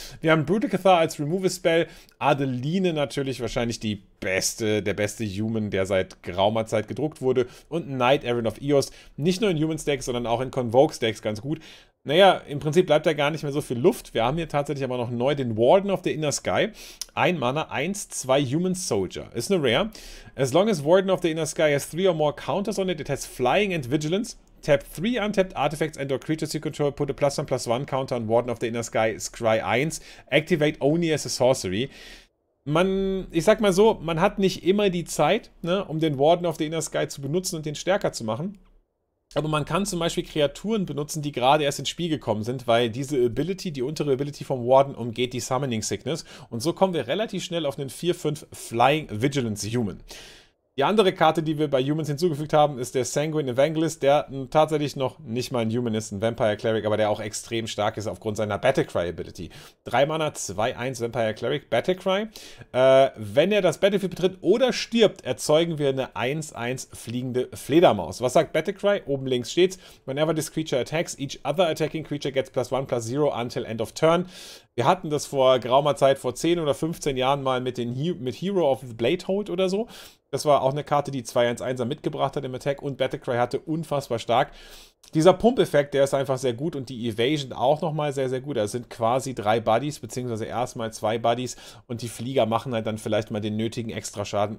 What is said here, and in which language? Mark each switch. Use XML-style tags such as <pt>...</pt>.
<de>Wir haben Brutal Cathar als Removal-Spell, Adeline natürlich wahrscheinlich die beste, der beste Human, der seit geraumer Zeit gedruckt wurde und Knight Errant of Eos, nicht nur in Human-Stacks, sondern auch in Convoke-Stacks ganz gut. Naja, im Prinzip bleibt da gar nicht mehr so viel Luft. Wir haben hier tatsächlich aber noch neu den Warden of the Inner Sky. Ein Mana, 1/2 Human Soldier. Ist eine Rare.</de> <en>As long as Warden of the Inner Sky has 3 or more counters on it, it has Flying and Vigilance. Tap 3 untapped artifacts and or creatures you control, put a +1/+1 counter on Warden of the Inner Sky, Scry 1, activate only as a sorcery.</en> <de>Ich sag mal so, man hat nicht immer die Zeit, ne, um den Warden of the Inner Sky zu benutzen und den stärker zu machen. Aber man kann zum Beispiel Kreaturen benutzen, die gerade erst ins Spiel gekommen sind, weil diese Ability, die untere Ability vom Warden, umgeht die Summoning Sickness. Und so kommen wir relativ schnell auf einen 4/5 Flying Vigilance Human. Die andere Karte, die wir bei Humans hinzugefügt haben, ist der Sanguine Evangelist, der tatsächlich noch nicht mal ein Human ist, ein Vampire Cleric, aber der auch extrem stark ist aufgrund seiner Battlecry Ability. 3 Mana, 2/1 Vampire Cleric, Battlecry. Wenn er das Battlefield betritt oder stirbt, erzeugen wir eine 1/1 fliegende Fledermaus. Was sagt Battlecry? Oben links steht's:</de> <en>Whenever this creature attacks, each other attacking creature gets +1/+0 until end of turn.</en> <de>Wir hatten das vor geraumer Zeit, vor 10 oder 15 Jahren mal mit Hero of the Bladehold oder so. Das war auch eine Karte, die 2/1/1er mitgebracht hat im Attack und Battlecry hatte unfassbar stark. Dieser Pump-Effekt, der ist einfach sehr gut und die Evasion auch nochmal sehr, sehr gut. Das sind quasi 3 Buddies, beziehungsweise erstmal 2 Buddies und die Flieger machen halt dann vielleicht mal den nötigen Extraschaden.</de>